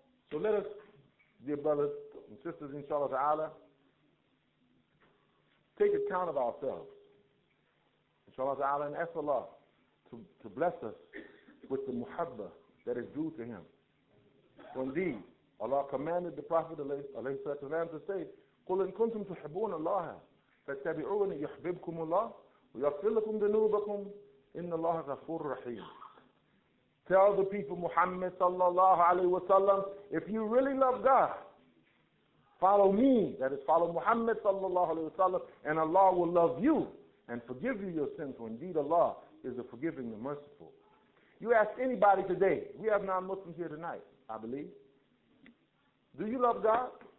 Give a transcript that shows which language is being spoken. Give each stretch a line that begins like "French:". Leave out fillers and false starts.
English: So let us, dear brothers and sisters, inshallah ta'ala, take account of ourselves, inshallah ta'ala, and ask Allah to bless us with the muhabba that is due to Him. For indeed, Allah commanded the Prophet alayhi salatu wa sallam to say,
Arabic: قُلْ إِن كُنْتُمْ تُحِبُونَ اللَّهَ فَاتَّبِعُونِ يُحْبِبْكُمُ اللَّهُ وَيَغْفِرْ لَكُمْ ذُنُوبَكُمْ إِنَّ اللَّهَ غَفُورٌ رَحِيمٌ.
English: Tell the people, Muhammad sallallahu alayhi wa sallam, if you really love God, follow me, that is, follow Muhammad sallallahu alayhi wa sallam, and Allah will love you and forgive you your sins, for indeed Allah is the forgiving, the merciful. You ask anybody today, we have non-Muslims here tonight, I believe, do you love God?